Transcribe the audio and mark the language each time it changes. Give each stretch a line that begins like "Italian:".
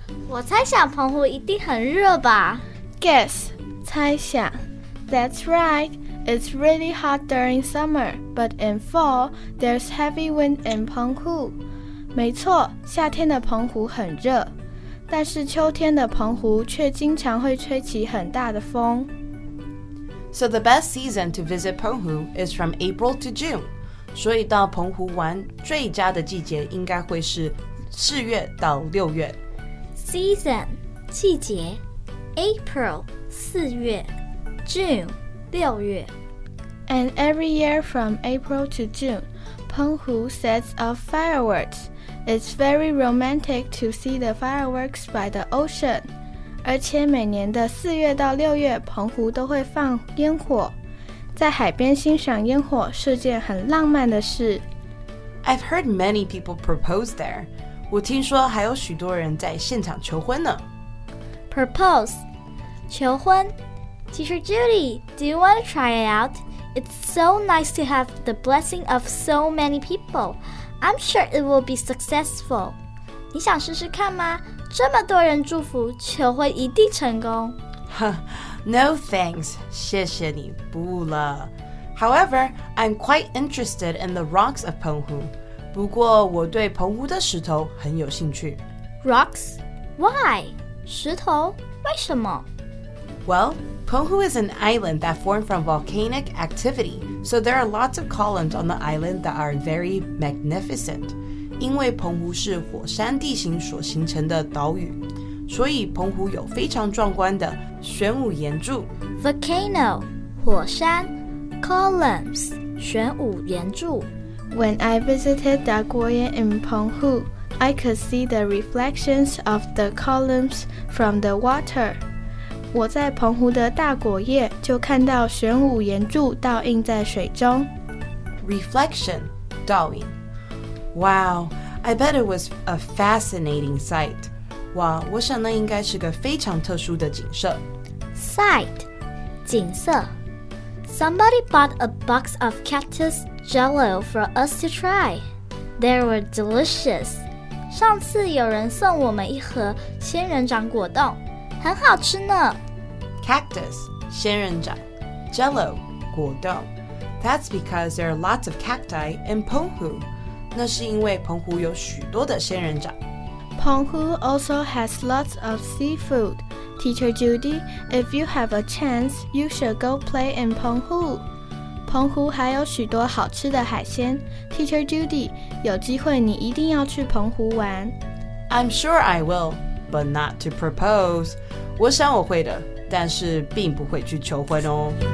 Chinese: 我猜想澎湖一定很热吧。
English: Guess, 猜想。 That's right, it's really hot during summer, but in fall, there's heavy wind in Penghu.
Chinese: 没错，夏天的澎湖很热，但是秋天的澎湖却经常会吹起很大的风。
English: So the best season to visit Penghu is from April to June.
Chinese: 所以到澎湖玩最佳的季节应该会是四月到六月。
English: Season 季节 April 四月 June 六月。 And every year from April to June, Penghu sets off fireworks. It's very romantic to see the fireworks by the ocean.
Chinese: 而且每年的四月到六月，澎湖都会放烟火。在海边欣赏烟火是件很浪漫的事。
English: I've heard many people propose there.
Chinese: 我听说还有许多人在现场求婚呢。
English: Propose, 求婚。 Teacher Judy, do you want to try it out? It's so nice to have the blessing of so many people. I'm sure it will be successful.
Chinese: 你想试试看吗？这么多人祝福，求婚一定成功。
English: No thanks,
Chinese: 谢谢你，不了。
English: However, I'm quite interested in the rocks of Penghu.
Chinese: 不过我对澎湖的石头很有兴趣。
English: Rocks? Why?
Chinese: 石头？为什么？
English: Well, Penghu is an island that formed from volcanic activity, so there are lots of columns on the island that are very magnificent.
Chinese: 因为澎湖是火山地形所形成的岛屿。所以澎湖有非常壮观的玄武岩柱
English: Volcano, 火山 Columns, 玄武岩柱 When I visited Da Guoyen in Penghu, I could see the reflections of the columns from the water
Chinese: 我在澎湖的大果叶就看到玄武岩柱倒映在水中
English: Reflection, 倒影 Wow, I bet it was a fascinating sight
Chinese: 哇，我想那应该是个非常特殊的景色。
English: Sight, 景色。Somebody bought a box of cactus jello for us to try. They were delicious.
Chinese: 上次有人送我们一盒仙人掌果冻，很好吃呢。
English: Cactus, 仙人掌。Jello, 果冻。 That's because there are lots of cacti in Penghu.
Chinese: 那是因为澎湖有许多的仙人掌。
English: Penghu also has lots of seafood. Teacher Judy, if you have a chance, you should go play in Penghu.
Chinese: Penghu 还有许多好吃的海鲜。Teacher Judy, 有机会你一定要去澎湖玩。
English: I'm sure I will, but not to propose.
Chinese: 我想我会的，但是并不会去求婚哦。